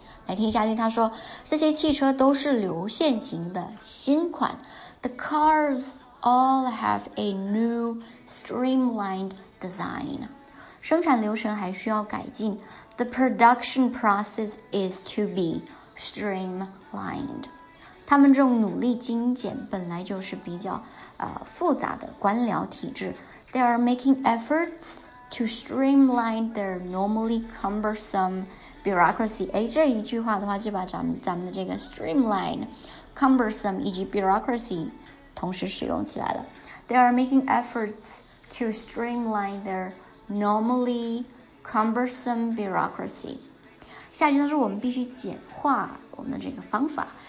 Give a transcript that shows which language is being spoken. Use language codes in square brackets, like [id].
[zh] 来听一下，他说，这些汽车都是流线型的新款。 [en] The cars all have a new streamlined design. [zh] 生产流程还需要改进。 [en] The production process is to be streamlined. [zh] 他们这种努力精简本来就是比较复杂的官僚体制。 [en] They are making efforts to streamline their normally cumbersome bureaucracy. [zh] 哎，这一句话的话就把咱们的这个 streamline, cumbersome 以及 bureaucracy 同时使用起来了。 [en] They are making efforts to streamline their normally cumbersome bureaucracy. [zh] 下一句，他说我们必须简化我们的这个方法。